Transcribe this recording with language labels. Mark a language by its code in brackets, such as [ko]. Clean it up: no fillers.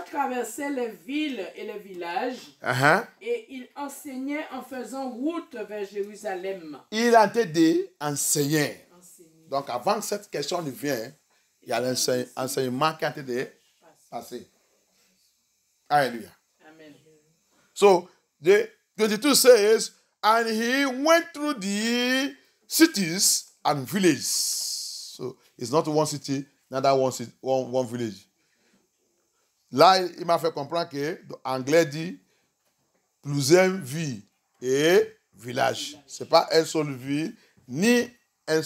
[fr] traversait les villes et les villages. Et il enseignait en faisant route vers Jérusalem. Il était des enseignants. Donc avant que cette question ne vienne, il y a l'enseignement qui a été passé. Alléluia. [en] So, the 22 says, and he went through the cities and villages. So, it's not one city, neither one village. [fr] Là, il m'a fait comprendre que l'anglais dit plusieurs villes et villages. Ce n'est pas une seule ville, ni un seul.